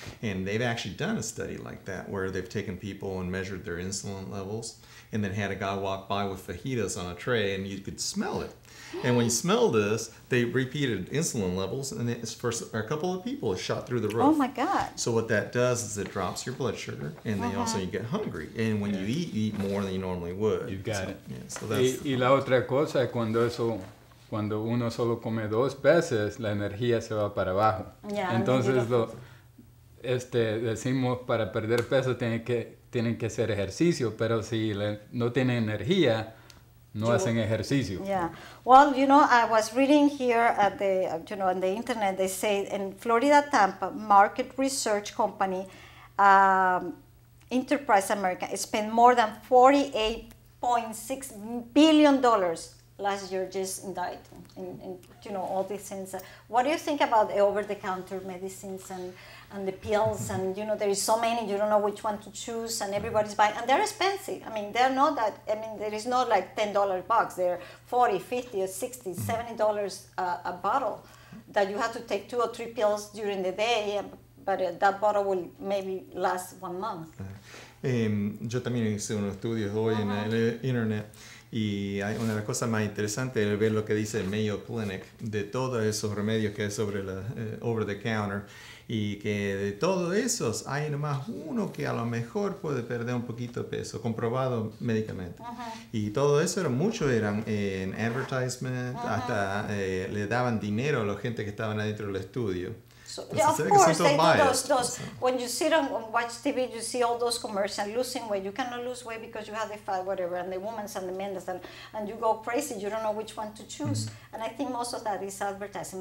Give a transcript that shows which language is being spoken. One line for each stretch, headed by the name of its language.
English: And they've actually done a study like that where they've taken people and measured their insulin levels and then had a guy walk by with fajitas on a tray and you could smell it. And when you smell this, they repeated insulin levels, and it's for a couple of people, it shot through the roof. Oh my God. So what that does is it drops your blood sugar, and then also you get hungry. And when you eat more than you normally would. You got it. Yeah, so that's
Spanish: y la otra cosa, cuando uno solo come 2 veces, la energía se va para abajo.
English: Yeah,
Spanish: entonces, decimos para perder peso tienen que hacer ejercicio, pero si no tienen energía, no hacen ejercicio.
English: Yeah. Well, I was reading here at the, on the internet, they say in Florida Tampa, market research company, Enterprise America, spent more than $48.6 billion last year just died, and you know, all these things. What do you think about the over-the-counter medicines and the pills? And, you know, there is so many, you don't know which one to choose, and everybody's buying, and they're expensive. I mean, they're not that, I mean, there is not like $10 box. They're $40, $50, $60, $70 a bottle that you have to take two or three pills during the day, but that bottle will maybe last 1 month.
Spanish: Yo también hice unos estudios hoy en el internet, y hay una de las cosas más interesantes es ver lo que dice Mayo Clinic de todos esos remedios que es sobre la over the counter, y que de todos esos hay nomás uno que a lo mejor puede perder un poquito de peso, comprobado médicamente. Y todo eso era mucho, eran en advertisement, hasta le daban dinero a la gente que estaban adentro del estudio.
English: So, of course, they do those. When you sit and watch TV, you see all those commercials, losing weight. You cannot lose weight because you have the fat, whatever, and the women's and the men's, and you go crazy. You don't know which one to choose. Mm-hmm. And I think most of that is advertising.